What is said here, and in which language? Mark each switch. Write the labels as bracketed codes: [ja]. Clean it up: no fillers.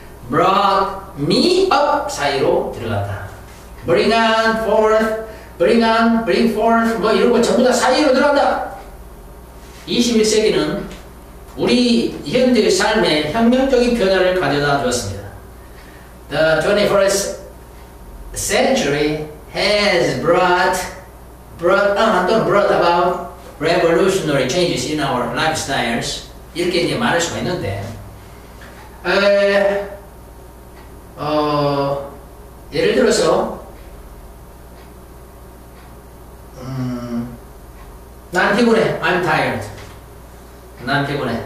[en] brought me up [ko] 사이로 들어간다. [en] bring on forth bring on bring forth [ko] 뭐 이런 거 전부 다 사이로 들어간다. 21세기는 우리 현대의 삶에 혁명적인 변화를 가져다 주었습니다. [en] The 21st century has brought about revolutionary changes in our lifestyles. [ko] 이렇게 이제 말할 수가 있는데, 예를 들어서, 난 피곤해. [en] I'm tired. [ko] 난 피곤해.